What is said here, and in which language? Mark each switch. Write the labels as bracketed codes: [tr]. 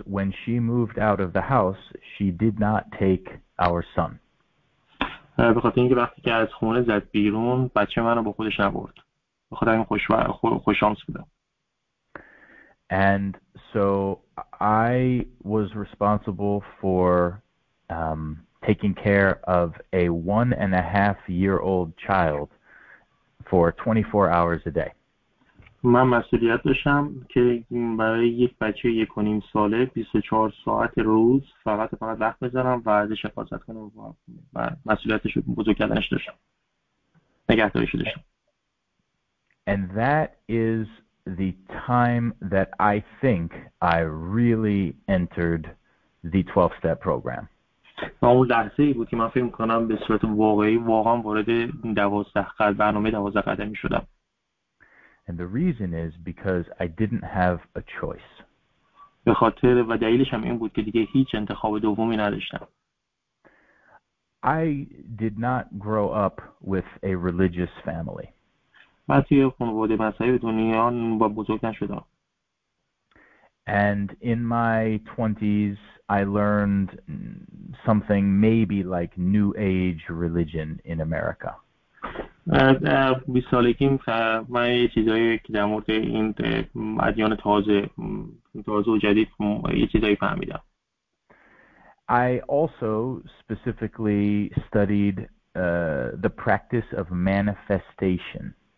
[en] when she moved out of the house, she did not take our son. [fa] به خاطر اینکه وقتی که از خونه زد بیرون بچه منو با خودش نبرد. به خاطر این خوش شانس بودم. [en] And so I was responsible for taking care of a 1.5-year-old child for 24 hours a day. [fa] من مسئولیت داشتم که برای یک بچه 1.5 ساله 24 ساعت روز فقط وقت بذارم و ازش حفاظت کنم و مسئولیتش رو بزرگ کردنش داشتم. نگهداریش داشتم. [en] And that is the time that I think I really entered the 12-step program. [fa] و اون لحظه ای بود که من فکر کنم به صورت واقعی واقعا وارد برنامه 12 قدمی شدم. [en] And the reason is because I didn't have a choice. [fa] به خاطر و دلیلش هم این بود که دیگه هیچ انتخاب دومی نداشتم. [en] I did not grow up with a religious family. [fa] من توی خانواده مذهبی به دنیا بزرگ نشدم. [en] And in my 20s, I learned something maybe like New Age religion in America. [fa] از 20 سالگیم من یه چیزایی که در مورد این ادیان تازه و جدید یه چیزایی فهمیدم. [en] I also specifically studied the practice of manifestation.